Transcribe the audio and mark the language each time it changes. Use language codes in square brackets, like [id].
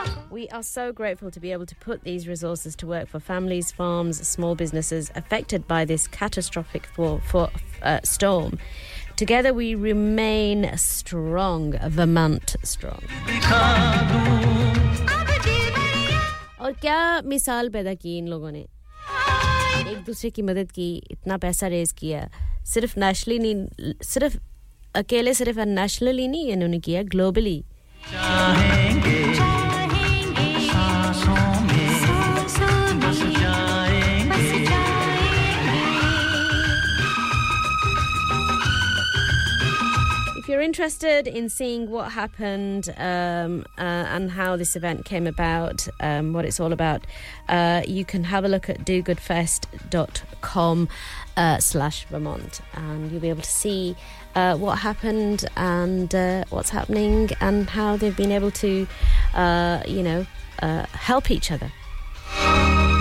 [en] We are so grateful to be able to put these resources to work for families, farms, small businesses affected by this catastrophic storm. Together we remain strong, Vermont strong. [hi] और क्या मिसाल पैदा की इन लोगों ने एक दूसरे की मदद की इतना पैसा रेज किया सिर्फ नेशनली नहीं सिर्फ अकेले सिर्फ नेशनली नहीं इन्होंने किया globally If [en] if you're interested in seeing what happened and how this event came about, what it's all about, you can have a look at dogoodfest.com/Vermont, and you'll be able to see what happened and what's happening and how they've been able to, help each other.